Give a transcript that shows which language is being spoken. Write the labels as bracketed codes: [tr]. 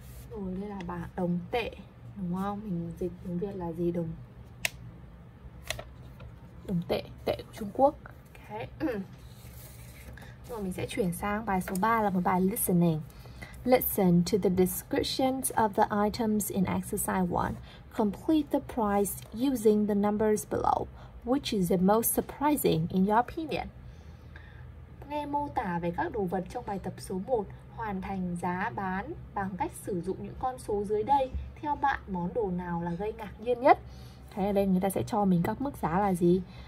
[vi] rồi đây là bảng đồng tệ đúng không? Mình dịch tiếng Việt là gì? Đồng đồng tệ, tệ của Trung Quốc. Okay. Rồi mình sẽ chuyển sang bài số 3 là một bài listening. [en] Listen to the descriptions of the items in exercise 1. Complete the price using the numbers below. Which is the most surprising in your opinion? [vi] Nghe mô tả về các đồ vật trong bài tập số 1, hoàn thành giá bán bằng cách sử dụng những con số dưới đây. Theo bạn, món đồ nào là gây ngạc nhiên nhất? Thế ở đây người ta sẽ cho mình các mức giá là gì?